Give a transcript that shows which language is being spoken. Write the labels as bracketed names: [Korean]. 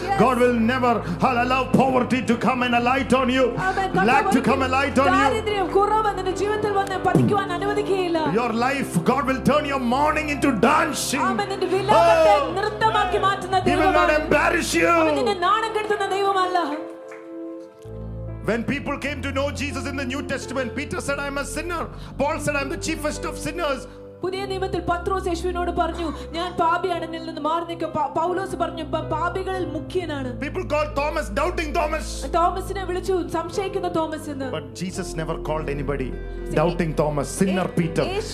[English] God will never allow poverty to come and alight on you, lack to come and alight on you. Your life, God will turn your mourning into dancing. Oh, he will not embarrass you. When people came to know Jesus in the New Testament, Peter said, I'm a sinner. Paul said, I'm the chiefest of sinners. [Malayalam] പുതിയ നിയമത്തിൽ പത്രോസ് യേശുവിനോട് പറഞ്ഞു, ഞാൻ പാപിയാണെന്നിൽ നിന്ന് മാറി നിൽക്കും. പൗലോസ് പറഞ്ഞു, പാപികളിൽ മുഖ്യനാണ്. [English] People called Thomas, doubting Thomas. [Malayalam] തോമസിനെ വിളിച്ചു സംശയിക്കുന്ന തോമസ് എന്ന്. [English] But Jesus never called anybody doubting Thomas, sinner Peter.